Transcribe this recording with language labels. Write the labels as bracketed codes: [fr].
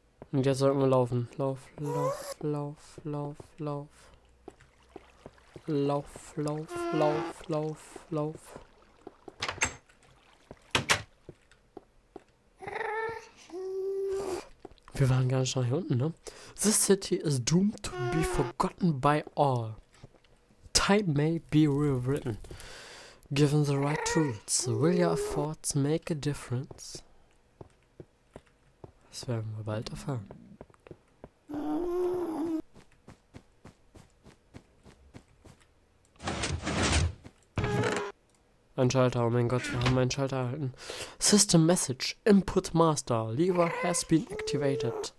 [de] Und jetzt sollten wir laufen. Lauf, lauf, lauf, lauf, lauf. Lauf, lauf, lauf, lauf, lauf. Wir waren gar nicht nach hier unten, ne? [en] This city is doomed to be forgotten by all. Time may be rewritten. Given the right tools, will your efforts make a difference? [de] Das werden wir bald erfahren. Ein Schalter, oh mein Gott, wir haben einen Schalter erhalten. [en] System Message, Input Master, Lever has been activated.